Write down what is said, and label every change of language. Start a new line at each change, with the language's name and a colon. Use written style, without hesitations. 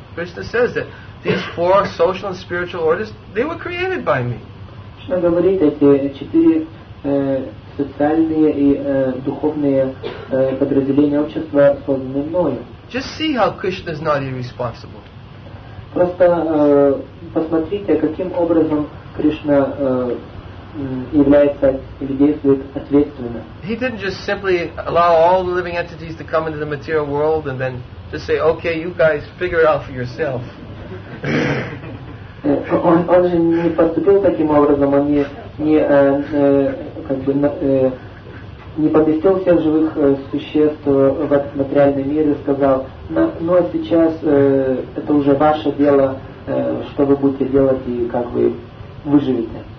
English: Krishna says that these four social and spiritual orders, they were created by me.
Russian: Что говорит эти четыре социальные и духовные подразделения общества созданы мною.
English: Just see how Krishna is not irresponsible.
Russian: Просто посмотрите, каким образом Кришна является или действует ответственно.
English: He didn't just simply allow all the living entities to come into the material world and then just say, okay, you guys figure it out for yourself.
Russian: Он же не поступил таким образом, он не поместил всех живых существ в этот материальный мир и сказал, ну а сейчас это уже ваше дело, что вы будете делать и как вы выживете.